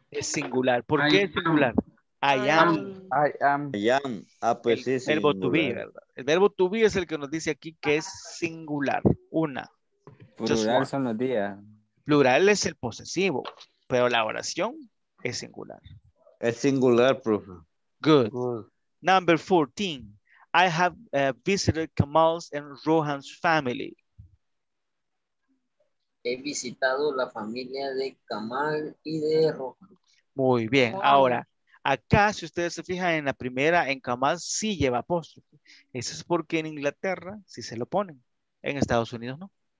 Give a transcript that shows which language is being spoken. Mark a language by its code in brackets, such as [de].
[es] Es singular. ¿Por qué es singular? [en] I am. [es] Ah, pues sí, singular. El verbo to be, ¿verdad? El verbo to be es el que nos dice aquí que es singular. Una. Plural son los días. Plural es el posesivo, pero la oración es singular. Es singular, profe. [en] Good. Number 14, I have visited Kamal's and Rohan's family. [es] He visitado la familia de Kamal y de Rohan. Muy bien. Ahora, acá, si ustedes se fijan en la primera, en Kamal sí lleva apóstrofe. Eso es porque en Inglaterra sí se lo ponen. En Estados Unidos no.